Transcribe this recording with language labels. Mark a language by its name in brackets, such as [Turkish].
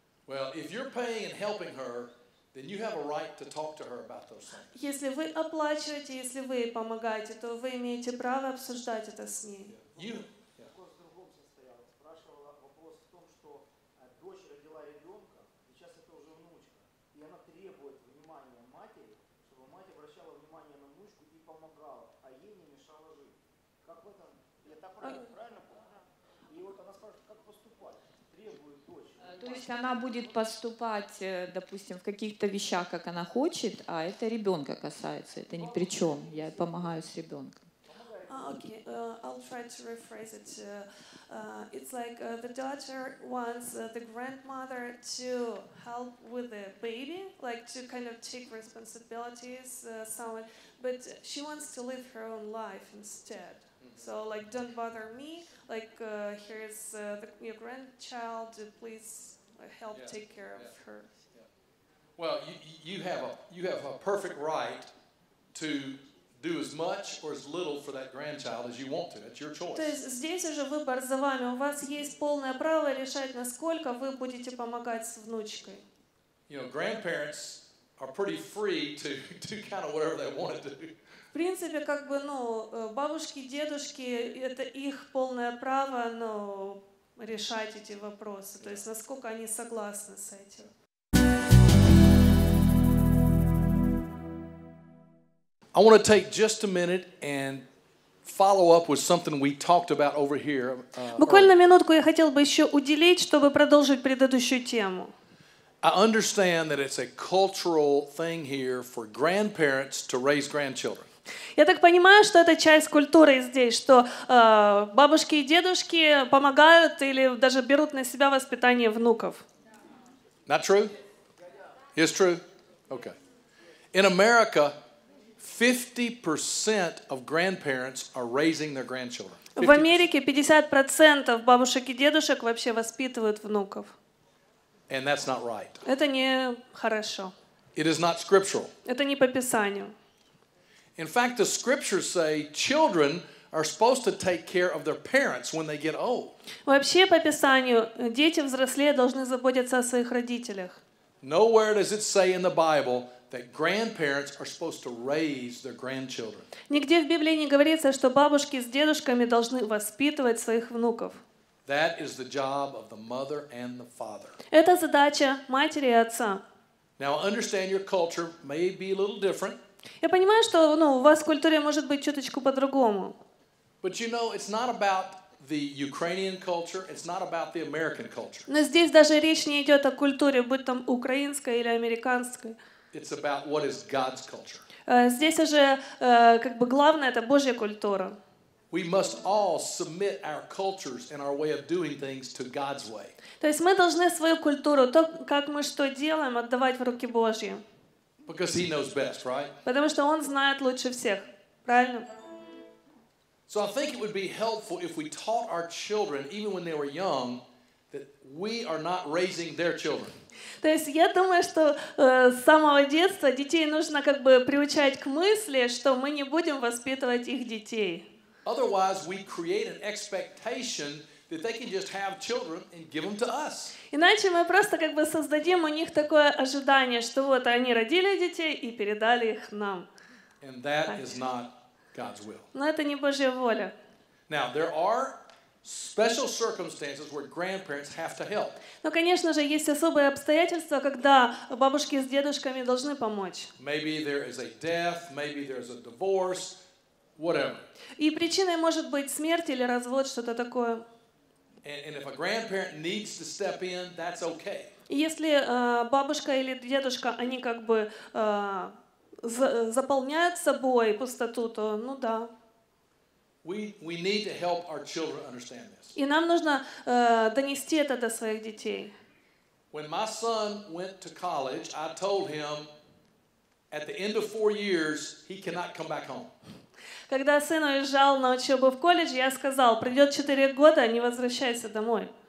[English] Well, if you're paying and helping her, then you have a right to talk to her about those things. [Russian] Если вы оплачиваете, если вы помогаете, то вы имеете право обсуждать это с ней. [English] You. [Russian] То есть она будет поступать, допустим, в каких-то вещах, как она хочет, а это ребенка касается, это ни при чем, я помогаю с ребенком. [English] Okay, I'll try to rephrase it. It's like the daughter wants the grandmother to help with the baby, like to kind of take responsibilities, someone, but she wants to live her own life instead. So, like, don't bother me. Like, here's your grandchild. Please help take care of her. Yeah. Well, you have a perfect right to do as much or as little for that grandchild as you want to. That's your choice. [Russian] То есть здесь уже выбор за вами. У вас есть полное право решать, насколько вы будете помогать с внучкой. [English] You know, grandparents are pretty free to do kind of whatever they want to do. [Russian] В принципе, как бы, ну, бабушки, дедушки, это их полное право, ну, решать эти вопросы, то есть насколько они согласны с этим. [English] I want to take just a minute and follow up with something we talked about over here. [Russian] Буквально минутку я хотел бы еще уделить, чтобы продолжить предыдущую тему. [English] I understand that it's a cultural thing here for grandparents to raise grandchildren. [Russian] Я так понимаю, что это часть культуры здесь, что бабушки и дедушки помогают или даже берут на себя воспитание внуков. [English] Not true? It's true? Okay. In America, 50% of grandparents are raising their grandchildren. [Russian] В Америке 50% бабушек и дедушек вообще воспитывают внуков. [English] And that's not right. [Russian] Это не хорошо. [English] It is not scriptural. [Russian] Это не по Писанию. [English] In fact, the scriptures say children are supposed to take care of their parents when they get old. [Russian] Вообще по Писанию дети взрослее должны заботиться о своих родителях. [English] Nowhere does it say in the Bible that grandparents are supposed to raise their grandchildren. [Russian] Нигде в Библии не говорится, что бабушки с дедушками должны воспитывать своих внуков. [English] That is the job of the mother and the father. [Russian] Это задача матери и отца. [English] Now I understand your culture may be a little different. [Russian] Я понимаю, что ну, у вас в культуре может быть чуточку по-другому. [English] But you know, it's not about the Ukrainian culture, it's not about the American culture. [Russian] Но здесь даже речь не идет о культуре, будь там украинской или американской. [English] It's about what is God's culture. [Russian] Здесь уже как бы главное это Божья культура. [English] We must all submit our cultures and our way of doing things to God's way. [Russian] То есть мы должны свою культуру, то, как мы что делаем, отдавать в руки Божьи. [English] Because he knows best, right? [Russian] Потому что он знает лучше всех, правильно? [English] So I think it would be helpful if we taught our children, even when they were young, that we are not raising their children. [Russian] То есть я думаю, что с самого детства детей нужно как бы приучать к мысли, что мы не будем воспитывать их детей. [English] Otherwise, we create an expectation that they can just have children and give them to us. [Russian] Иначе мы просто как бы создадим у них такое ожидание, что вот они родили детей и передали их нам. [English] And that is not God's will. [Russian] Но это не Божья воля. [English] Now there are special circumstances where grandparents have to help. [Russian] Но конечно же есть особые обстоятельства, когда бабушки с дедушками должны помочь. [English] Maybe there is a death, maybe there is a divorce, whatever. [Russian] И причиной может быть смерть или развод, что-то такое. [English] And if a grandparent needs to step in, that's okay. [Russian] Если бабушка или дедушка, они как бы заполняют собой пустоту, то ну да. [English] We need to help our children understand this. [Russian] И нам нужно донести это до своих детей. [English] When my son went to college, I told him at the end of 4 years he cannot come back home. [Russian] Когда сын уезжал на учебу в колледж, я сказал, пройдет 4 года, не возвращайся домой.